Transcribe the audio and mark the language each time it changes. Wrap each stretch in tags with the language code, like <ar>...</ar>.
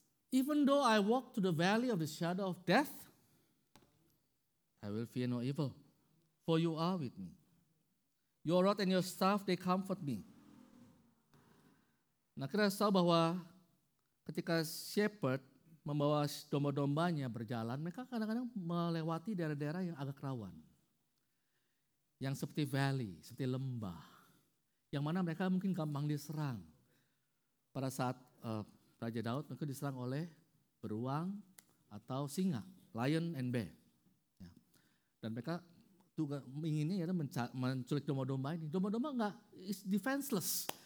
<en>Even though I walk to the valley of the shadow of death, I will fear no evil. For you are with me. Your rod and your staff, they comfort me.</en> <id>Nah, kita tahu bahwa ketika shepherd membawa domba-dombanya berjalan, mereka kadang-kadang melewati daerah-daerah yang agak rawan. Yang seperti valley, seperti lembah. Yang mana mereka mungkin gampang diserang. Pada saat Raja Daud, mereka diserang oleh beruang atau singa,</id> <en>lion and bear.</en> <id>Ya. Dan mereka juga inginnya ya, menculik domba-domba ini. Domba-domba enggak,</id> <en>it's defenseless.</en>